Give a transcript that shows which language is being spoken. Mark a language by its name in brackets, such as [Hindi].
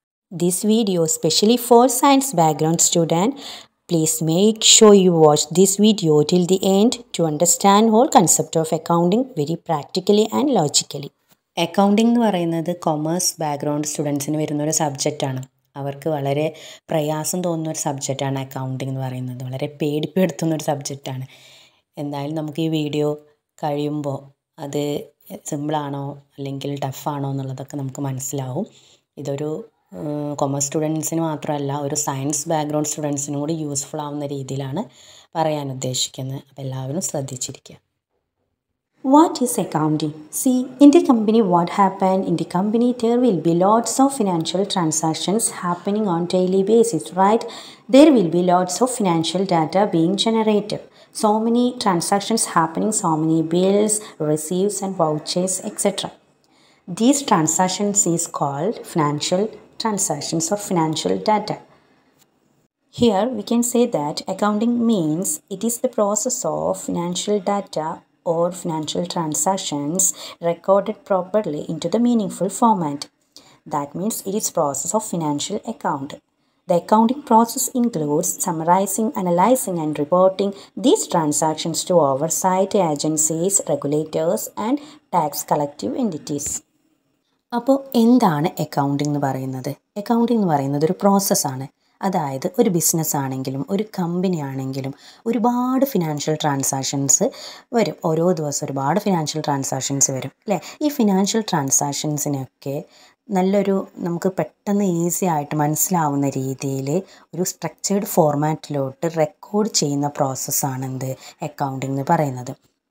[English] This video specially for science background student. Please make sure you watch this video till the end to understand whole concept of accounting very practically and logically. Accounting is a commerce background students in the subject. [Malayalam] അവർക്ക് വളരെ പ്രയാസം തോന്നുന്ന ഒരു സബ്ജക്റ്റാണ് accounting എന്ന് പറയുന്നത്. വളരെ പേടിപ്പെടുത്തുന്ന ഒരു സബ്ജക്റ്റാണ്. എന്തായാലും നമുക്ക് ഈ വീഡിയോ കഴിയുമ്പോൾ അത് സിമ്പിളാണോ അല്ലെങ്കിൽ ടഫാണോ എന്നുള്ളതൊക്കെ നമുക്ക് മനസ്സിലാവും. ഇതൊരു കൊമേഴ്സ് സ്റ്റുഡൻസിന് മാത്രമല്ല ഒരു സയൻസ് ബാക്ക്ഗ്രൗണ്ട് സ്റ്റുഡൻസിനും കൂടി യൂസ്ഫുൾ ആവുന്ന രീതിയിലാണ് പറയാൻ ഉദ്ദേശിക്കുന്നത്. അപ്പോൾ എല്ലാവരും ശ്രദ്ധിച്ചിരിക്കുക. [English] What is accounting? See, in the company what happened? In the company there will be lots of financial transactions happening on daily basis, right? There will be lots of financial data being generated. So many transactions happening, so many bills, receipts and vouchers, etc. These transactions is called financial transactions or financial data. Here we can say that accounting means it is the process of financial data or financial transactions recorded properly into the meaningful format. That means it is process of financial account. The accounting process includes summarizing, analyzing and reporting these transactions to oversight agencies, regulators and tax collective entities. [Malayalam] അപ്പോൾ എന്താണ് accounting എന്ന് പറയുന്നത്? Accounting എന്ന് പറയുന്നത് ഒരു process ആണ്. അതായത് ഒരു ബിസിനസ് ആണെങ്കിലും ഒരു കമ്പനി ആണെങ്കിലും ഒരുപാട് ഫിനാൻഷ്യൽ ട്രാൻസാക്ഷൻസ് വരും. ഓരോ ദിവസം ഒരുപാട് ഫിനാൻഷ്യൽ ട്രാൻസാക്ഷൻസ് വരും അല്ലേ. ഈ ഫിനാൻഷ്യൽ ട്രാൻസാക്ഷൻസിനൊക്കെ നല്ലൊരു നമുക്ക് പെട്ടെന്ന് ഈസി ആയിട്ട് മനസ്സിലാവുന്ന രീതിയിൽ ഒരു സ്ട്രക്ചേർഡ് ഫോർമാറ്റിലോട്ട് റെക്കോർഡ് ചെയ്യുന്ന പ്രോസസ്സാണെന്ത് അക്കൗണ്ടിംഗ് എന്ന് പറയുന്നത്.